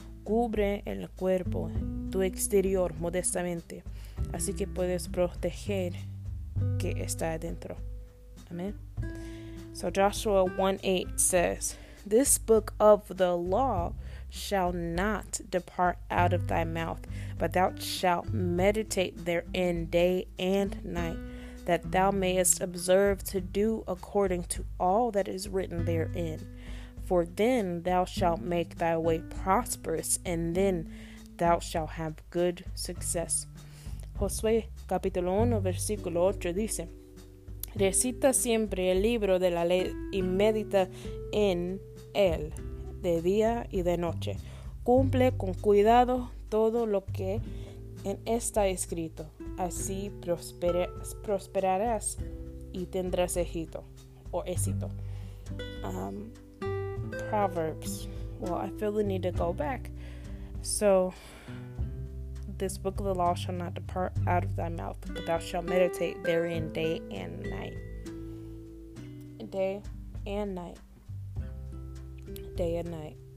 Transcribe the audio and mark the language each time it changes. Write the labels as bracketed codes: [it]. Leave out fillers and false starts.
[es] Cubre el cuerpo, tu exterior modestamente, así que puedes proteger que está adentro. [en] Amen. So Joshua 1:8 says, "This book of the law shall not depart out of thy mouth, but thou shalt meditate therein day and night, that thou mayest observe to do according to all that is written therein. For then thou shalt make thy way prosperous, and then thou shalt have good success." [es] Josué capítulo 1 versículo 8 dice, "Recita siempre el libro de la ley y medita en él de día y de noche. Cumple con cuidado todo lo que en está escrito. Así prosperarás y tendrás éxito. [en] Proverbs. Well, I feel the need to go back. So, this book of the law shall not depart out of thy mouth, but thou shalt meditate therein day and night. Day and night. Day and night.